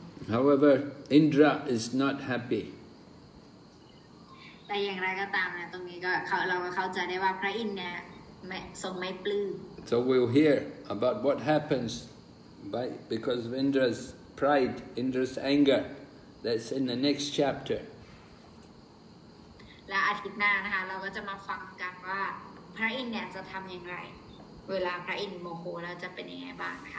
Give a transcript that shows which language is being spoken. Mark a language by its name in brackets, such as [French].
[English] However, Indra is not happy. [Thai] แต่อย่างไรก็ตามนะตรงนี้ก็เราก็เข้าใจได้ว่าพระอินทร์เนี่ยทรงไม่ปลื้ม [English] So we'll hear about what happens because of Indra's pride, Indra's anger. That's in the next chapter. [Thai] และอาทิตย์หน้านะคะเราก็จะมาฟังกันว่าพระอินทร์เนี่ยจะทำยังไงเวลาพระอินทร์โมโหแล้วจะเป็นยังไงบ้างค